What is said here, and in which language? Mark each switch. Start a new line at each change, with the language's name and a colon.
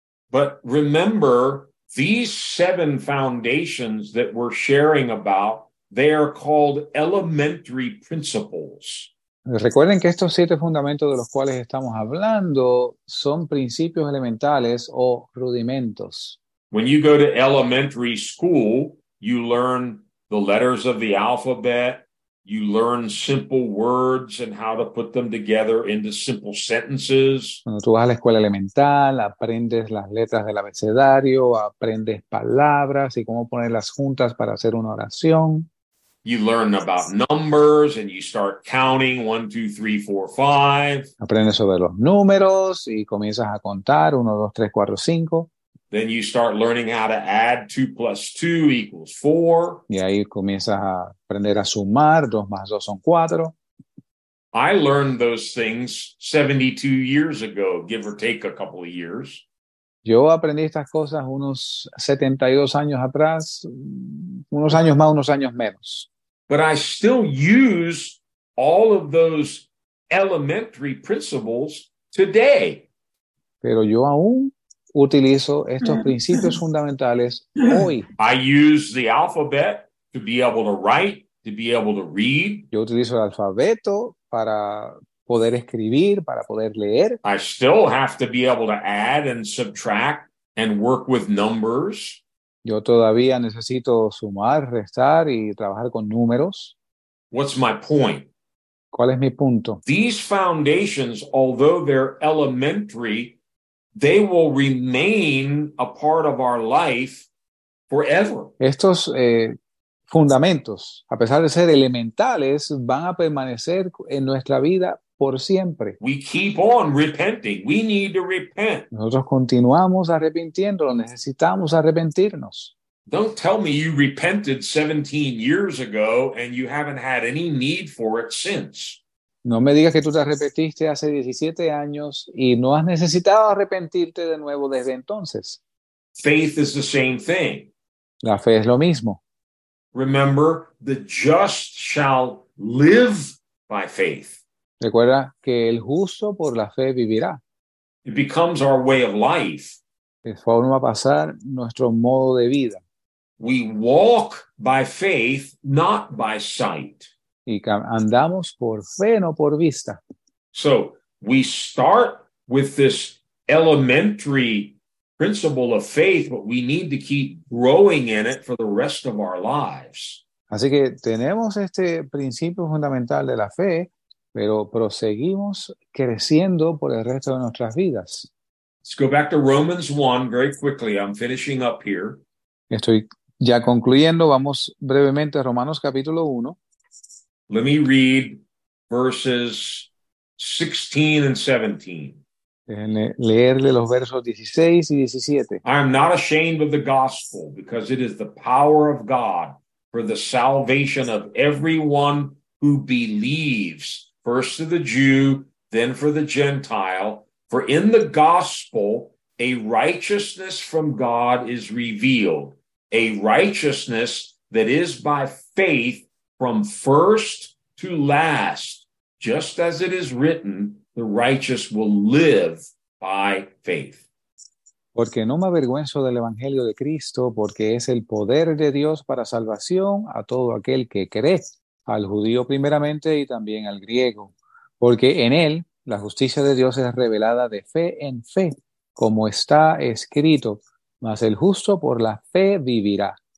English: But remember, these seven foundations that we're sharing about, they are called elementary principles.
Spanish: Recuerden que estos siete fundamentos de los cuales estamos hablando son principios elementales o rudimentos.
English: When you go to elementary school, you learn the letters of the alphabet, you learn simple words and how to put them together into simple sentences.
Spanish: Cuando tú vas a la escuela elemental, aprendes las letras del abecedario, aprendes palabras y cómo ponerlas juntas para hacer una oración.
English: You learn about numbers and you start counting 1, 2, 3, 4, 5.
Spanish: Aprendes sobre los números y comienzas a contar 1, 2, 3, 4, 5.
English: Then you start learning how to add 2 plus 2 equals 4.
Spanish: Y ahí comienzas a aprender a sumar 2 más 2 son 4.
English: I learned those things 72 years ago, give or take a couple of years.
Spanish: Yo aprendí estas cosas unos 72 años atrás, unos años más, unos años menos.
English: But I still use all of those elementary principles today.
Spanish: Pero yo aún utilizo estos principios fundamentales hoy.
English: I use the alphabet to be able to write, to be able to read.
Spanish: Yo utilizo el alfabeto para poder escribir, para poder leer.
English: I still have to be able to add and subtract and work with numbers.
Spanish: Yo todavía necesito sumar, restar y trabajar con números.
English: What's my point?
Spanish: ¿Cuál es mi punto?
English: These foundations, although they're elementary, they will remain a part of our life forever.
Spanish: Estos fundamentos, a pesar de ser elementales, van a permanecer en nuestra vida por siempre.
English: We keep on repenting. We need to repent.
Spanish: Nosotros continuamos arrepintiendo, necesitamos arrepentirnos.
English: Don't tell me you repented 17 years ago and you haven't had any need for it since.
Spanish: No me digas que tú te arrepentiste hace 17 años y no has necesitado arrepentirte de nuevo desde entonces.
English: Faith is the same thing.
Spanish: La fe es lo mismo.
English: Remember, the just shall live by faith.
Spanish: Recuerda que el justo por la fe vivirá.
English: It becomes our way of life.
Spanish: Es forma pasar nuestro modo de vida.
English: We walk by faith, not by sight.
Spanish: Y andamos por fe, no por vista.
English: So, we start with this elementary principle of faith, but we need to keep growing in it for the rest of our lives.
Spanish: Así que tenemos este principio fundamental de la fe, pero proseguimos creciendo por el resto de nuestras vidas.
English: Let's go back to Romans 1 very quickly. I'm finishing up here.
Spanish: Estoy ya concluyendo. Vamos brevemente a Romanos capítulo 1.
English: Let me read verses 16 and 17.
Spanish: Leerle los versos 16 y 17.
English: I am not ashamed of the gospel, because it is the power of God for the salvation of everyone who believes, first to the Jew, then for the Gentile. For in the gospel, a righteousness from God is revealed, a righteousness that is by faith from first to last, just as it is written, the righteous will live by faith.
Spanish: Porque no me avergüenzo del Evangelio de Cristo, porque es el poder de Dios para salvación a todo aquel que cree, al judío primeramente y también al griego. Porque en él la justicia de Dios es revelada de fe en fe, como está escrito, mas el justo por la fe vivirá.